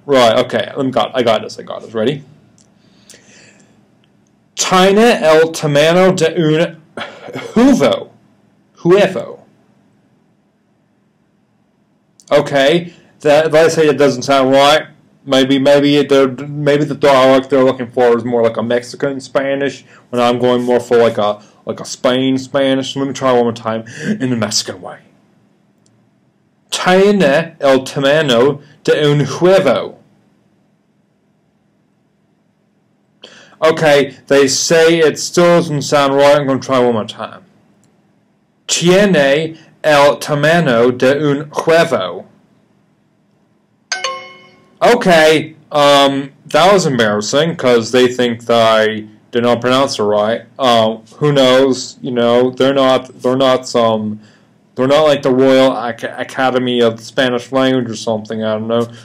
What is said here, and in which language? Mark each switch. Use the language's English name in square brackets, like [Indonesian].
[English] Right, okay, I got this, ready? [Spanish] Tiene el tamaño de un huevo. Huevo. [English] Okay, let's say it doesn't sound right. Maybe the dialect they're looking for is more like a Mexican Spanish, when I'm going more for like a Spain Spanish. Let me try one more time in the Mexican way. [Spanish] Tiene el tamaño de un huevo. [English] Okay, they say it still doesn't sound right. I'm going to try one more time. [Spanish] Tiene el tamaño de un huevo. [English] Okay, that was embarrassing, because they think that I did not pronounce it right. Who knows, you know, they're not like the Royal Academy of the Spanish Language or something, I don't know.